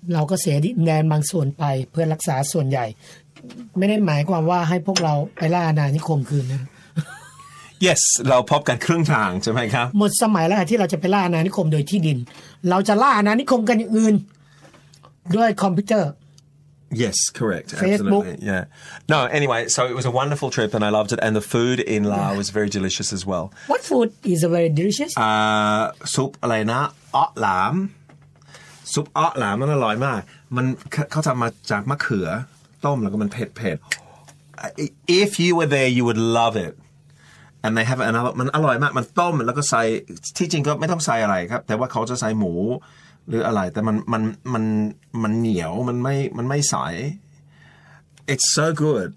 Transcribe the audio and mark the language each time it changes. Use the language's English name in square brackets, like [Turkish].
[Thai] เราก็เสียดินแดนบางส่วนไปเพื่อรักษาส่วนใหญ่ไม่ได้หมายความว่าให้พวกเราไปล่าอาณาธิคมคืนนะ [English] yes [Thai] เราพบกันครึ่งทางใช่ไหมครับ หมดสมัยแล้วที่เราจะไปล่าอาณาธิคมโดยที่ดินเราจะล่าอาณาธิคมกันอย่างอื่นด้วยคอมพิวเตอร์ [English] yes correct absolutely yeah no anyway so it was a wonderful trip and I loved it and the food in Laos was very delicious as well what food is very delicious [Thai] ซุปอะไรนะออหลามซุปออหลามมันอร่อยมากมันเขาทำมาจากมะเขือต้มแล้วก็มันเผ็ด [English] if you were there you would love itAnd they have another. [Thai] มันอร่อยมากมันต้มแล้วก็ใส่ที่จริงก็ไม่ต้องใส่อะไรครับแต่ว่าเขาจะใส่หมูหรืออะไรแต่มันเหนียวมันไม่ใส [English] It's so good.